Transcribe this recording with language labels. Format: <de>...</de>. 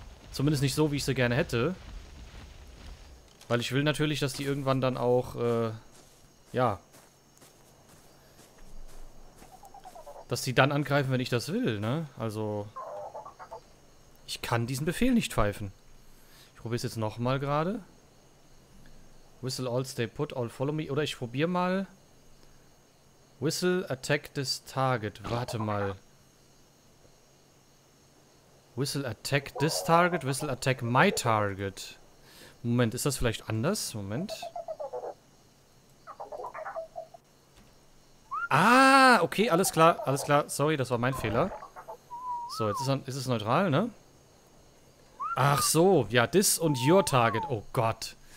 <de>Zumindest nicht so, wie ich sie gerne hätte. Weil ich will natürlich, dass die irgendwann dann auch, ja. Dass die dann angreifen, wenn ich das will, ne? Also, ich kann diesen Befehl nicht pfeifen. Ich probiere es jetzt nochmal gerade.</de> <en>Whistle all stay put, all follow me.</en> <de>Oder ich probiere mal.</de> <en>Whistle attack this target.</en> <de>Warte mal.</de> <en>Whistle attack this target, whistle attack my target.</en> <de>Moment, ist das vielleicht anders? Moment. Ah, okay, alles klar, alles klar. Sorry, das war mein Fehler. So, jetzt ist es neutral, ne? Ach so, ja, this und your target. Oh Gott.</de>